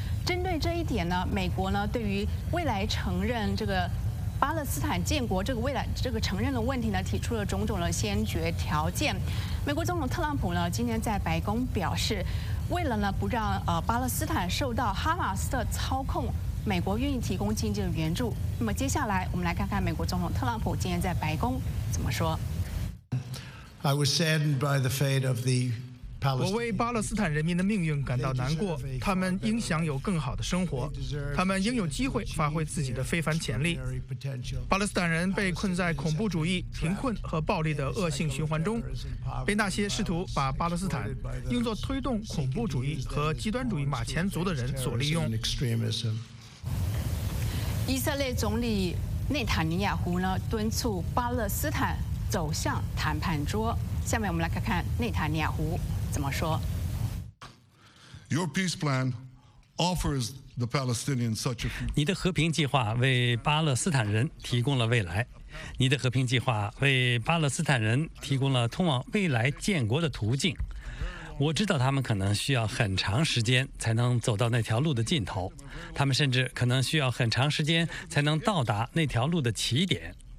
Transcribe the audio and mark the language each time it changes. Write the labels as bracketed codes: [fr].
[zh] 针对这一点呢，美国呢对于未来承认这个巴勒斯坦建国这个未来这个承认的问题呢提出了种种的先决条件。美国总统特朗普呢今天在白宫表示，为了呢不让巴勒斯坦受到哈马斯的操控，美国愿意提供经济的援助。那么接下来我们来看看美国总统特朗普今天在白宫怎么说。 [en] I was saddened by the fate of the... [zh] 我为巴勒斯坦人民的命运感到难过，他们应享有更好的生活，他们应有机会发挥自己的非凡潜力。巴勒斯坦人被困在恐怖主义、贫困和暴力的恶性循环中，被那些试图把巴勒斯坦用作推动恐怖主义和极端主义马前卒的人所利用。以色列总理内塔尼亚胡呢，敦促巴勒斯坦走向谈判桌。下面我们来看看内塔尼亚胡怎么说。 [en] Your peace plan offers the Palestinians such a future. [zh] 你的和平计划为巴勒斯坦人提供了未来，你的和平计划为巴勒斯坦人提供了通往未来建国的途径。我知道他们可能需要很长时间才能走到那条路的尽头，他们甚至可能需要很长时间才能到达那条路的起点。